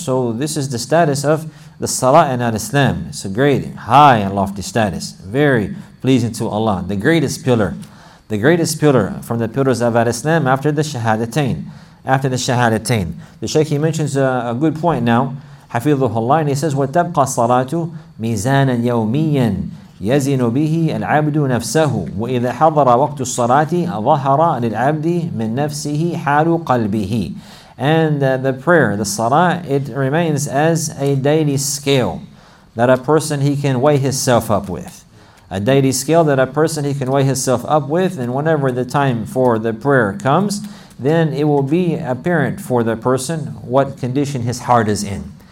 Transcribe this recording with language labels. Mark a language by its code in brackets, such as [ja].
[en] So this is the status of the salah in al-Islam. It's a great, high and lofty status. Very pleasing to Allah. The greatest pillar. The greatest pillar from the pillars of al-Islam after the shahadatain. After the shahadatain. The Shaykh, he mentions a good point now. [ar] Hafidhullah, [en] and he says, [ar] وَتَبْقَى الصَّلَاةُ مِيزَانًا يَوْمِيًا يَزِنُ بِهِ الْعَبْدُ نَفْسَهُ وَإِذَا حَضَرَ وَقْتُ الصَّلَاةِ ظَهَرَ لِلْعَبْدِ مِنْ نَفْسِهِ حَالُ قَلْبِهِ. [en] And the prayer, the salah, it remains as a daily scale that a person, he can weigh himself up with. A daily scale that a person, he can weigh himself up with, and whenever the time for the prayer comes, then it will be apparent for the person what condition his heart is in.